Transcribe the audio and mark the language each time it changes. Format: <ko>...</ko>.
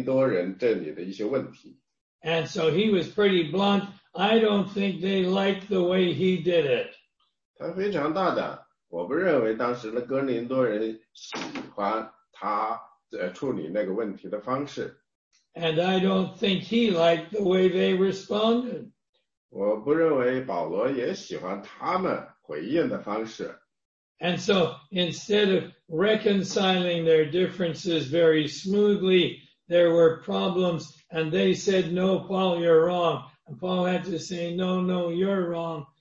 <zh>所以这里呢，使徒保罗他必须去对付格林多人这里的一些问题。</zh> <en>And so he was pretty blunt. I don't think they liked the way he did it.</en> <zh>他非常大胆，我不认为当时的格林多人喜欢他处理那个问题的方式。</zh> <en>And I don't think he liked the way they responded.</en> <zh>我不认为保罗也喜欢他们回应的方式。</zh> <en>And so instead of reconciling their differences very smoothly, there were problems, and they said, no, Paul, you're wrong. And Paul had to say, no, no, you're wrong.</en>